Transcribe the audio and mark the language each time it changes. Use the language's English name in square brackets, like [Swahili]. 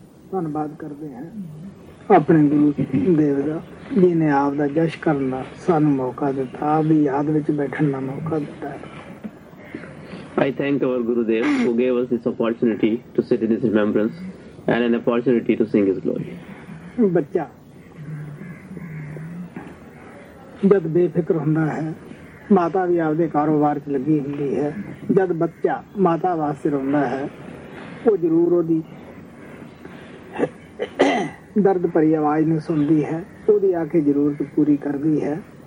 [Punjabi] ਧੰਨਵਾਦ ਕਰਦੇ ਹਾਂ ਆਪਣੇ ਗੁਰੂ ਦੇਵ ਦਾ ਜਿਹਨੇ ਆਪਦਾ ਜਸ਼ ਕਰਨ ਦਾ ਸਾਨੂੰ ਮੌਕਾ ਦਿੱਤਾ, ਆਪਦੀ ਯਾਦ ਵਿੱਚ ਬੈਠਣ ਦਾ ਮੌਕਾ ਦਿੱਤਾ। [English] I thank our Gurudev who gave us this opportunity to sit in his remembrance and an opportunity to sing his glory. [Punjabi] ਬੱਚਾ ਜਦ ਬੇਫਿਕਰ ਹੁੰਦਾ ਹੈ, ਮਾਤਾ ਵੀ ਆਪਦੇ ਕਾਰੋਬਾਰ 'ਚ ਲੱਗੀ ਹੁੰਦੀ ਹੈ, ਜਦ ਬੱਚਾ ਮਾਤਾ ਵਾਸਤੇ ਰੋਂਦਾ ਹੈ ਉਹ ਜ਼ਰੂਰ ਉਹਦੀ ਦਰਦ ਭਰੀ ਆਵਾਜ਼ ਨੂੰ ਸੁਣਦੀ ਹੈ, ਉਹਦੀ ਆ ਕੇ ਜ਼ਰੂਰਤ ਪੂਰੀ ਕਰਦੀ ਹੈ।